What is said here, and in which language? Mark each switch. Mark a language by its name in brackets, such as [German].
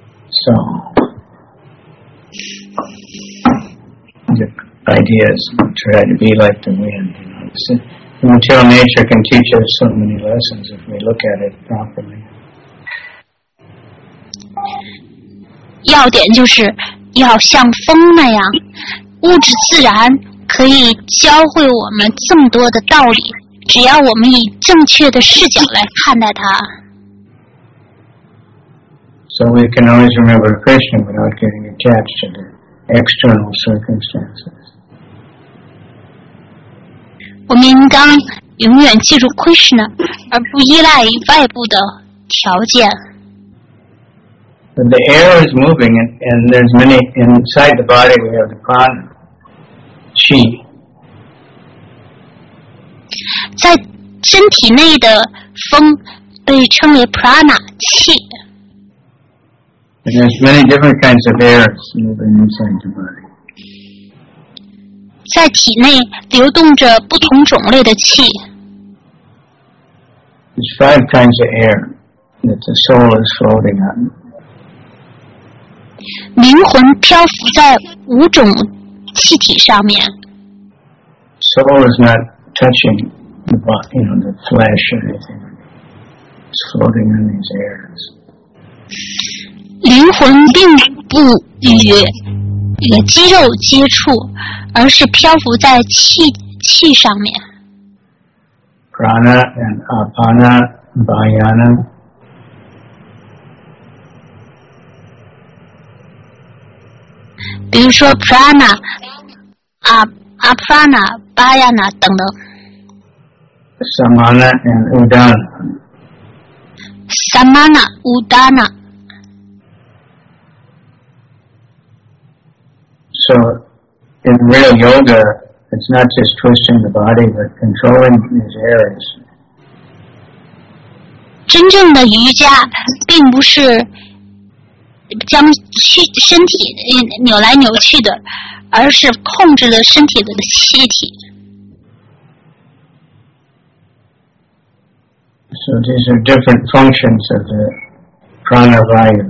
[English] So,ideas, try to be like the wind. You know, the material nature can teach us so many lessons if we look at it properly. [Chinese] 要点就是要像风那样，物质自然可以教会我们这么多的道理，只要我们以正确的视角来看待它。 [English] So we can always remember Krishna without getting attached to the external circumstances. [Chinese] 我们应当永远记住 Krishna, 而不依赖于外部的条件。 [English] But the air is moving, and there's many inside the body. We have the prana, qi. [Chinese] 在身体内的风被称为 prana, 气。 [English] And there's many different kinds of air moving inside the body. [Chinese] 在体内流动着不同种类的气。 [English] There's five kinds of air that the soul is floating on. [Chinese] 灵魂漂浮在五种气体上面。 [English] Soul is not touching the body, you know, the flesh or anything. It's floating on these airs. [Chinese] 灵魂并不与肌肉接触。而是漂浮在气上面。 [English] Prana and apana, bayana. Be sure [Chinese] prana, apana, bayana, 等等。 [English] Samana and udana. Samana, udana. So,In real yoga, it's not just twisting the body, but controlling these areas. [Chinese] 真正的瑜伽并不是将身体扭来扭去的，而是控制了身体的气体。 [English] So these are different functions of the prana vayu.